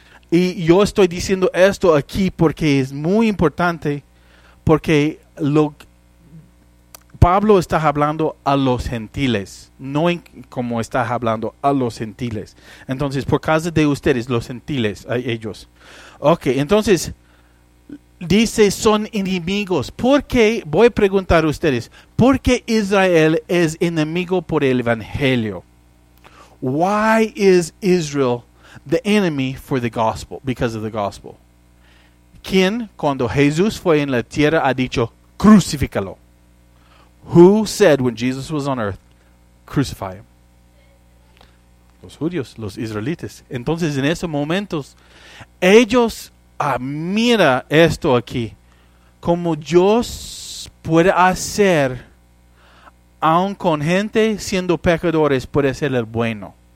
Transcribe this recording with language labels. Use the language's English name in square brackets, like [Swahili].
[Spanish] Y yo estoy diciendo esto aquí porque es muy importante, porque Pablo está hablando a los gentiles, como está hablando a los gentiles. Entonces, por causa de ustedes, los gentiles, a ellos. Ok, entonces, dice, son enemigos. ¿Por qué? Voy a preguntar a ustedes, ¿por qué Israel es enemigo por el evangelio? [English] Why is Israel the enemy for the gospel? Because of the gospel. [Spanish] ¿Quién, cuando Jesús fue en la tierra, ha dicho, crucifícalo? [English] Who said when Jesus was on earth, crucify him? [Spanish] Los judíos, los israelites. Entonces, en esos momentos, ellos, mira esto aquí. Como Dios puede hacer, aun con gente siendo pecadores, puede ser el bueno.